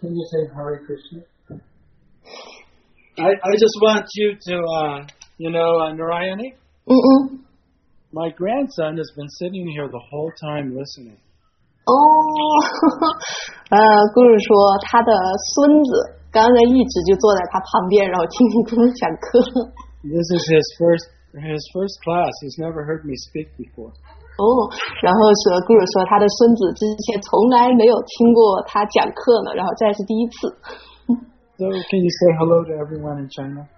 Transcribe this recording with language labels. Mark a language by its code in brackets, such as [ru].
[en] Can you say Hare Krishna? I just want you to, Narayani? My grandson has been sitting here the whole time listening. [zh] Guru 说他的孙子刚才一直就坐在他旁边，然后听你跟他讲课。 [en] This is his first class. He's never heard me speak before. [zh] 然后说 Guru 说他的孙子之前从来没有听过他讲课呢，然后这是第一次。 [en] So can you say hello to everyone in China?